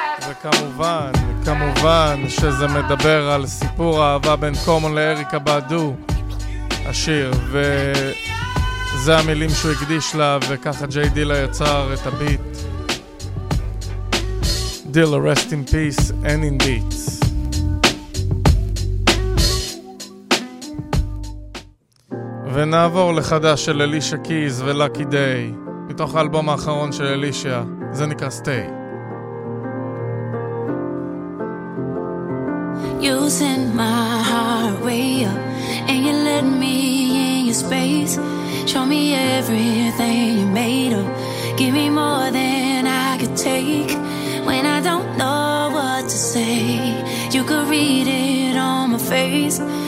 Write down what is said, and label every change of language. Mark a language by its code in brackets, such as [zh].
[he] וכמובן כמובן שזה מדבר על סיפור אהבה בין קומון לאריקה באדו, השיר, וזה המילים שהוא הקדיש לה, וככה ג'יי דילה יצר את הביט. דילה, [en] rest in peace and in beats. [he] ונעבור לחדש של אלישה קיז ולאקי דיי, מתוך האלבום האחרון של אלישה, זה נקרא סטיי. [en] You sent my heart way up, and you let me in your space. Show me everything you made up. Give me more than I could take. When I don't know what to say, you could read it on my face.